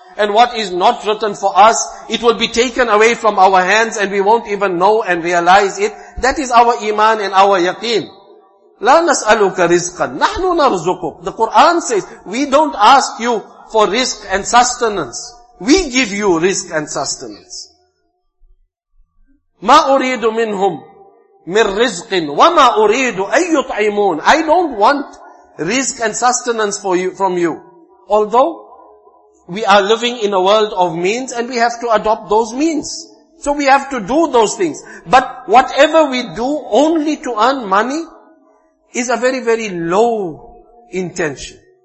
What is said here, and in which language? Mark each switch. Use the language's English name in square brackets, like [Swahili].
[English] And what is not written for us, it will be taken away from our hands and we won't even know and realize it. That is our iman and our yaqeen. [Arabic] لا نسألك رزقا نحن نرزقك. [English] The Quran says, we don't ask you for risk and sustenance. We give you risk and sustenance. [Arabic] ما أريد منهم من رزق وما أريد أن يطعمون. [English] I don't want risk and sustenance for you, from you. Although we are living in a world of means and we have to adopt those means. So we have to do those things. But whatever we do only to earn money is a very, very low intention.